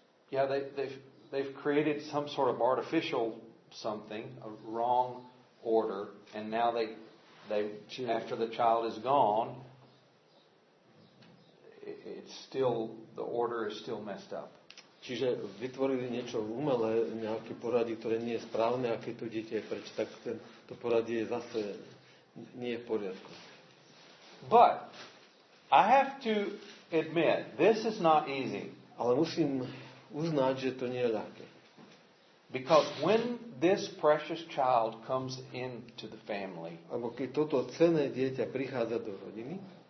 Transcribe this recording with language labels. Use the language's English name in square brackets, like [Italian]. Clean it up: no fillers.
[English] Yeah, they've created some sort of artificial something, a wrong order, and now they after the child is gone, it's still, the order is still messed up. [Slovak] Čiže vytvorili niečo umelé, nejaké poradie, ktoré nie je správne, a keď to dieťa je preč, tak to poradie je zase nie v poriadku. [English] But I have to admit, this is not easy. [Slovak] Ale musím uznať, že to nie je ľahké. [English] Because when this precious child comes into the family, [Slovak] alebo keď toto cenné dieťa prichádza do rodiny,